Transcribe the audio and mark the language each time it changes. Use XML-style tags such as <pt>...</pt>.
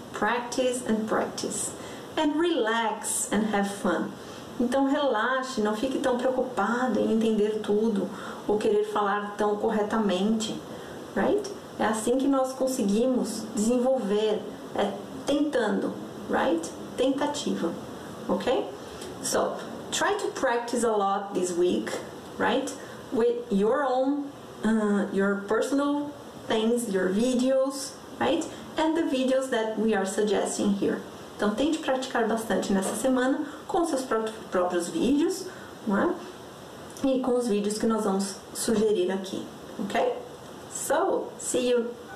<en>Practice and practice. And relax and have fun.</en> <pt>Então, relaxe, não fique tão preocupado em entender tudo ou querer falar tão corretamente, right? É assim que nós conseguimos desenvolver, é tentando, right? Tentativa, ok?</pt> <en>So, try to practice a lot this week, right? With your own, your personal things, your videos, right? And the videos that we are suggesting here.</en> <pt>Então, tente praticar bastante nessa semana com seus próprios vídeos, não é? E com os vídeos que nós vamos sugerir aqui, ok?</pt> <en>So, see you!</en>